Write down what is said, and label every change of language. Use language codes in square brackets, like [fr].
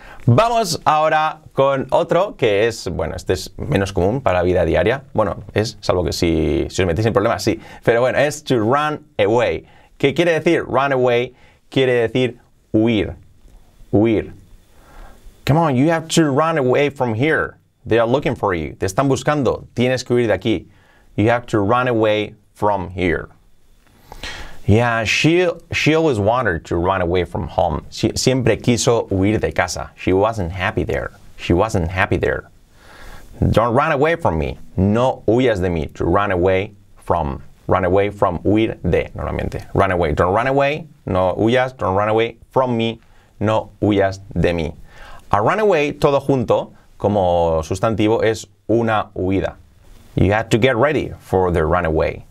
[es] Vamos ahora con otro que es, bueno, este es menos común para la vida diaria. Bueno, es, salvo que si os metéis en problemas, sí. Pero bueno, es to run away. ¿Qué quiere decir? Run away quiere decir huir. Huir. [en] Come on, you have to run away from here. They are looking for you. [es] Te están buscando. Tienes que huir de aquí. [en] You have to run away from here. Yeah, she always wanted to run away from home. [es] Siempre quiso huir de casa. [en] She wasn't happy there. She wasn't happy there. Don't run away from me. [es] No huyas de mí. [en] To run away from. Run away from. [es] Huir de. Normalmente. [en] Run away. Don't run away. [es] No huyas. [en] Don't run away from me. [es] No huyas de mí. A runaway, todo junto, como sustantivo, es una huida. [en] You have to get ready for the runaway.